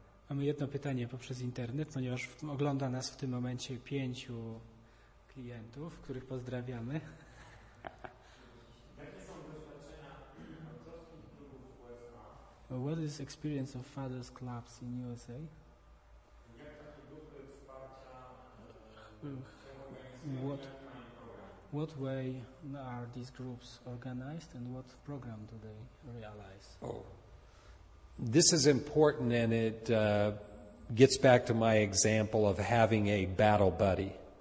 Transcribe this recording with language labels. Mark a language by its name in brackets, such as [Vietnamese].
[Polish] Mamy jedno pytanie poprzez internet, ponieważ ogląda nas w tym momencie 5 klientów, których pozdrawiamy. Jakie są doświadczenia ojcowskich klubów w USA? [English] What is experience of fathers clubs in USA? [Polish] Jak takie grupy wsparcia? [English] What, What way are these groups organized and what program do they realize? Oh, this is important, and it gets back to my example of having a battle buddy.